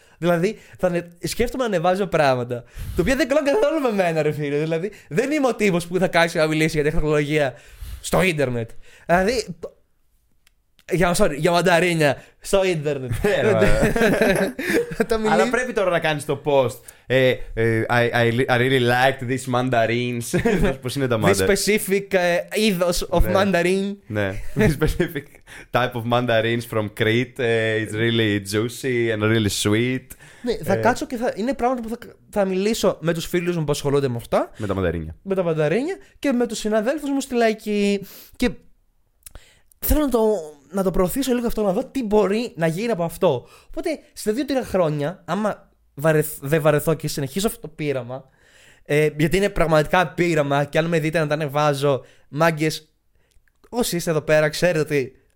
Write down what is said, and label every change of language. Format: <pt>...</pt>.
<el>Δηλαδή, σκέφτομαι να ανεβάζω πράγματα, το οποίο δεν κλαίνω καθόλου με μένα, ρε φίλε. Δηλαδή, δεν είμαι ο τύπος που θα κάτσει να μιλήσει για τεχνολογία στο ίντερνετ. Δηλαδή. Για μανταρίνια στο ίντερνετ. Ναι, αλλά πρέπει τώρα να κάνεις το post.</el> <en>I really liked these mandarins.</en> <el>Πώς είναι τα</el> <en>mandarins. This specific είδος of mandarin. Ναι. This specific type of mandarins from Crete. It's really juicy and really sweet.</en> <el>Ναι, θα κάτσω και είναι πράγματα που θα μιλήσω με τους φίλους μου που ασχολούνται με αυτά. Με τα μανταρίνια. Με τα μανταρίνια και με τους συναδέλφους μου στη λαϊκή. Και θέλω να το προωθήσω λίγο αυτό, να δω τι μπορεί να γίνει από αυτό. Οπότε, στα 2-3 χρόνια, άμα δεν βαρεθώ και συνεχίσω αυτό το πείραμα, γιατί είναι πραγματικά πείραμα, και αν με δείτε να τα ανεβάζω, μάγκες, όσοι είστε εδώ πέρα, ξέρετε ότι.</el>